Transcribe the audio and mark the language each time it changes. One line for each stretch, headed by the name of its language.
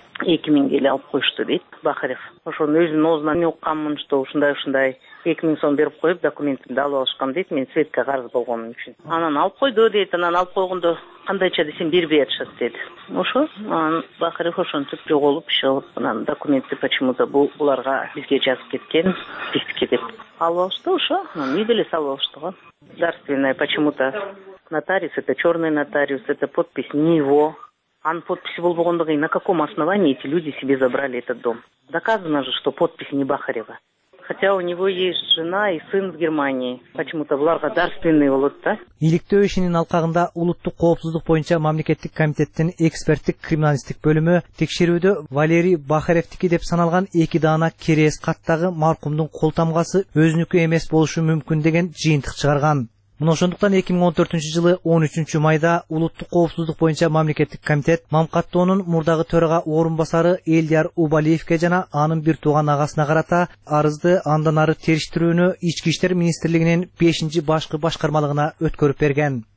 Kyrgyz: 2000 эле алып коюшту дейт Бахарев. Ошон өзүн оозунан укканмын,
Russian: что
Kyrgyz: ушундай 2000 сом берип коюп, документимди алып алышкам дейт, мен Светке карыз болгонум үчүн. Анан алып койду дейт, анан алып койгондо кандайча десем бербей атышат деди. Ошо Бахарев ошентип жоголуп чыгып, анан документти
Russian: почему-то
Kyrgyz: буларга бизге жазып кеткен, бизге деп алып алышты. Ошо үй деле салып алышты го.
Russian: Дарственная почему-то нотариус, это черный нотариус, это подпись не его.
Kyrgyz: Ан подписи болбогондо кыйын,
Russian: на каком основании эти люди себе забрали этот дом? Доказано же, что подпись не Бахарева. Хотя у него есть жена и сын в Германии. Почему-то
Kyrgyz: буларга дарственный болот да. Иликтөө ишинин алкагында улуттук коопсуздук боюнча мамлекеттик комитеттин эксперттик криминалистик бөлүмү текшерүүдө Валерий Бахаревтики деп саналган эки даана керес каттагы маркумдун кол тамгасы өзүнүкү эмес болушу мүмкүн деген жыйынтык чыгарган. Мына ошондуктан 2014 жылы 13 майда улуттук коопсуздук боюнча мамлекеттик комитет Мамкаттоонун мурдагы төрага орун басары Элдияр Убалиевке жана анын бир тууган агасына карата арызды андан ары териштирүүнү Ички иштер министрлигинин 5-ci башкы башкармалыгына өткөрүп берген.